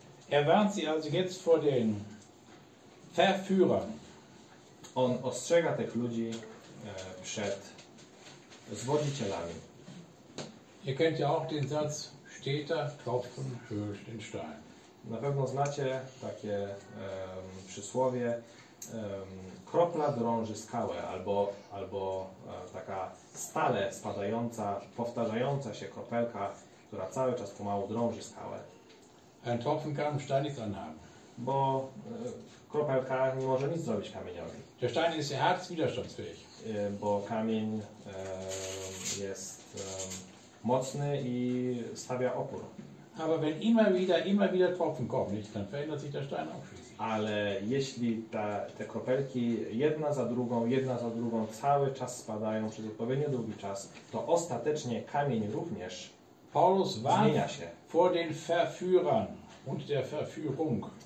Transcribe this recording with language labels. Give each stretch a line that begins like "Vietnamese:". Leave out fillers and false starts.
German: Er warnt sie also jetzt vor den Verführern.
Polish: On ostrzega tych ludzi przed zwodzicielami.
German: Ihr kennt ja auch den Satz, steter Tropfen höhlt den Stein.
Polish: Na pewno znacie takie przysłowie, kropla drąży skałę, albo taka stale spadająca, powtarzająca się kropelka, która cały czas pomału drąży skałę.
German: Ein Tropfen kann dem Stein nichts anhaben.
Polish: Bo kropelka nie może nic zrobić kamieniowi.
German: Der Stein ist ja hart, widerstandsfähig.
Polish: Bo kamień jest mocny i stawia opór.
German: Aber wenn immer wieder Tropfen kommen, nicht, dann verändert sich der Stein auch schließlich.
Polish: Ale jeśli te kropelki jedna za drugą cały czas spadają przez odpowiednio długi czas, to ostatecznie kamień również
German: Paulus
Polish: zmienia się.
German: Vor den Verführern und der Verführung.